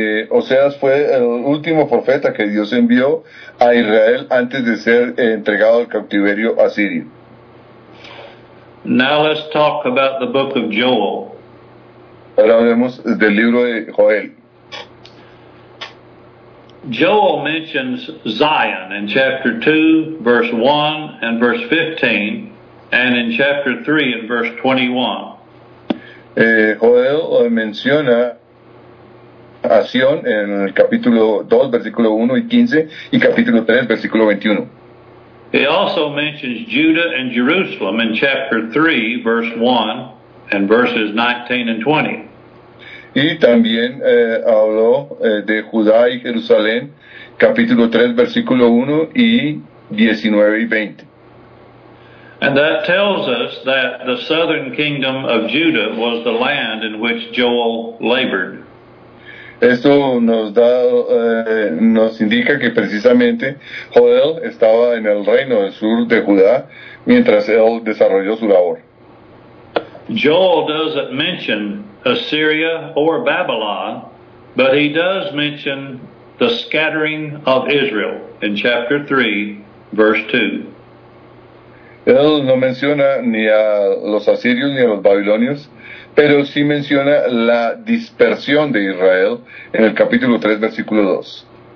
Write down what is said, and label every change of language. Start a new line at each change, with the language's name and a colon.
Spanish: Oseas fue el último profeta que Dios envió a Israel antes de ser entregado al cautiverio asirio.
English: Now let's talk about the book of Joel.
Spanish: Ahora hablemos del libro de Joel.
English: Joel mentions Zion in chapter 2, verse 1 and verse 15, and in chapter 3 and verse 21.
Spanish: Joel menciona a Sion en el capítulo 2, versículo 1 y 15, y capítulo 3, versículo 21.
English: He also mentions Judah and Jerusalem in chapter 3, verse 1, and verses 19 and 20.
Spanish: Y también habló de Judá y Jerusalén, capítulo 3, versículo 1 y 19 y 20.
English: And that tells us that the southern kingdom of Judah was the land in which Joel labored.
Spanish: Esto nos da, nos indica que precisamente Joel estaba en el reino del sur de Judá mientras él desarrolló su labor.
English: Joel doesn't mention Assyria or Babylon, but he does mention the scattering of Israel in chapter 3, verse 2.
Spanish: Él no menciona ni a los asirios ni a los babilonios, pero sí menciona la dispersión de Israel en el capítulo 3, versículo 2.